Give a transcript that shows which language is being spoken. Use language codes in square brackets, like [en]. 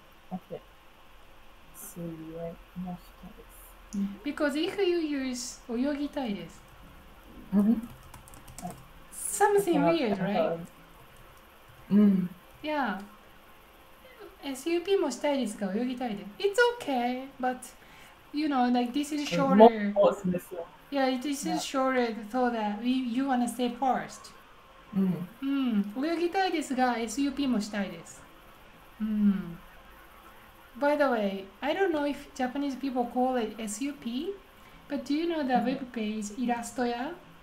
[ja] Okay. 水泳もしたいです。 [en] Because if you use [ja] 泳ぎたいです。 Mm-hmm. [en] Something weird, right? Yeah. [ja] SUP もしたいですが、泳ぎたいです。 [en] It's okay, but you know, like this is shorter. Yeah, this is shorter so that you want to stay first. [ja] 泳ぎたいですが、SUP もしたいです。 [en] By the way, I don't know if Japanese people call it SUP, but do you know the web page Irastoya?